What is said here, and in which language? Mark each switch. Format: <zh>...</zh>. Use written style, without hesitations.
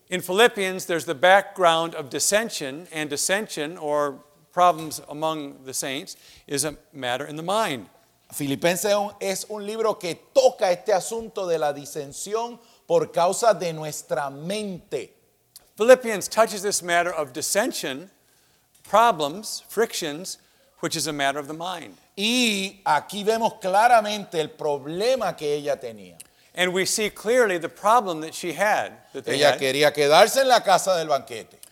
<en>In Philippians, there's the background of dissension, and dissension, or problems among the saints, is a matter in the mind.</en> <es>Filipenses es un libro que toca este asunto de la disensión por causa de nuestra mente.</es> <en>Philippians touches this matter of dissension, problems, frictions, which is a matter of the mind.</en> <es>Y aquí vemos claramente el problema que ella tenía.</es> <en>And we see clearly the problem that she had.</en> <es>Ella quería quedarse en la casa del banquete.</es>